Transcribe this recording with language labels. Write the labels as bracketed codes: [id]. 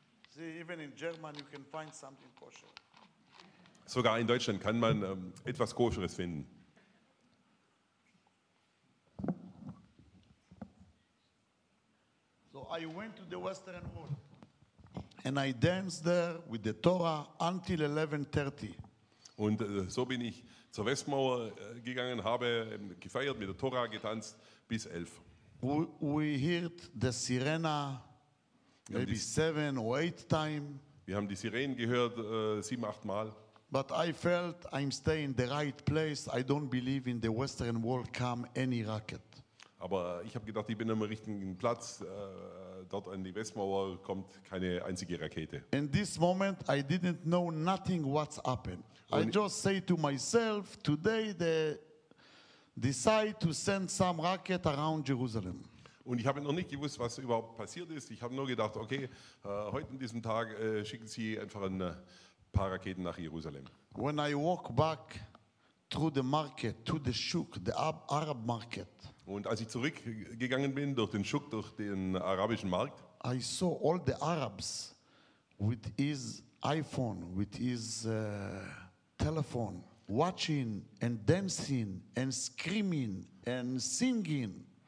[en] See, even in German you can find something kosher. [de] Sogar in Deutschland kann man etwas Koscheres finden. [en] So I went to the Western Wall and I danced there with the Torah until 11:30. [de] Und so bin ich zur Westmauer gegangen, habe gefeiert, mit der Tora getanzt bis 11. [en] We heard the sirena maybe 7 or 8 times. [de] Wir haben die Sirenen gehört 7, 8 Mal. [en] But I felt I'm staying in the right place. I don't believe in the Western Wall come any rocket. [de] Aber ich habe gedacht, ich bin am richtigen Platz. Dort an die Westmauer kommt keine einzige Rakete. [en] In this moment I didn't know nothing what's happened. I just say to myself, today they decide to send some rocket around Jerusalem. [de] Und ich habe noch nicht gewusst, was überhaupt passiert ist. Ich habe nur gedacht, okay, heute in diesem Tag schicken sie einfach ein paar Raketen nach Jerusalem. [en] When I walk back through the market to the Shuk, the Arab market. [de] Und als ich zurückgegangen bin durch den Shuk, durch den arabischen Markt, [en] I saw all the Arabs with his iPhone, with his telephone, watching and dancing and screaming and singing.